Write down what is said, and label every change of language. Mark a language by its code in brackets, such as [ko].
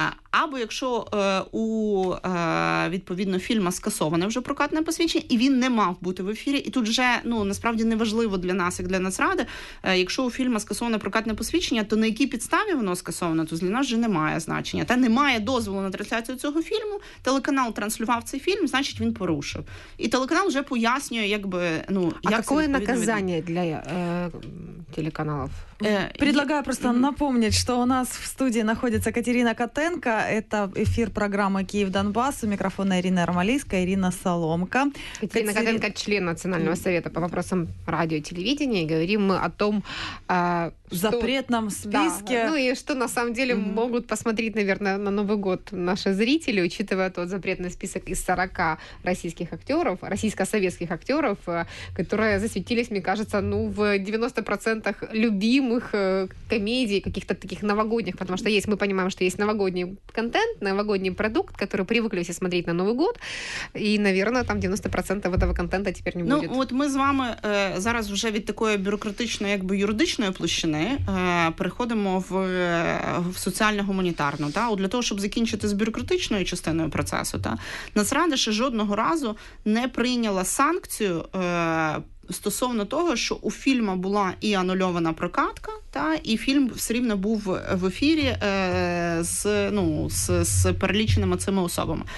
[uk] Або якщо у відповідно фільма скасоване вже прокатне посвідчення, і він не мав бути в ефірі, і тут вже, ну, насправді неважливо для нас, як для Нацради, якщо у фільма скасоване прокатне посвідчення, то на якій підставі воно скасоване, то для нас вже немає значення. Та немає дозволу на трансляцію цього фільму, телеканал транслював цей фільм, значить він порушив. І телеканал вже пояснює, якби, ну, як це відповідно. А яке [ru] наказання для телеканалов? Предлагаю просто напомнить, что у нас в студии находится Катерина Котенко. Это эфир программы «Киев-Донбасс». У микрофона Ирина Ермолийская, Ирина Соломко. Катерина Котенко, член Национального совета по вопросам радио и телевидения. И говорим мы о том, в запретном списке. Да, ну и что на самом деле могут посмотреть, наверное, на Новый год наши зрители, учитывая тот запретный список из 40 российских актеров, российско-советских актеров, которые засветились, мне кажется, ну, в 90% любимых комедий, каких-то таких новогодних, потому что есть, мы понимаем, что есть новогодний контент, новогодний продукт, который привыкли все смотреть на Новый год, и, наверное, там 90% этого контента теперь не будет. [uk] Ну, вот мы с вами зараз уже від такої бюрократичної, якби, юридичної площади переходимо в соціально-гуманітарну. Та? Для того, щоб закінчити з бюрократичною частиною процесу, та? Нацрада ще жодного разу не прийняла санкцію стосовно того, що у фільма була і анульована прокатка, та, і фільм все рівно був в ефірі з, ну, з переліченими цими особами.